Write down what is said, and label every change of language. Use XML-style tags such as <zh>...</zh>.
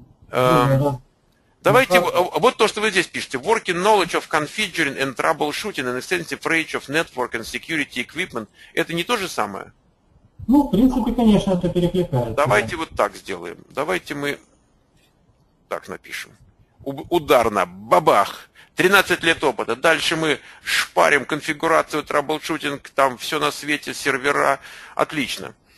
<ru>Давайте, вот то, что вы здесь пишете.</ru> <en>Working knowledge of configuring and troubleshooting and extensive range of network and security equipment.</en> <ru>Это не то же самое? Ну, в принципе, конечно, это перекликается. Давайте вот так сделаем. Давайте мы так напишем. Ударно, бабах, 13 лет опыта. Дальше мы шпарим конфигурацию, troubleshooting, там все на свете, сервера. Отлично.</ru>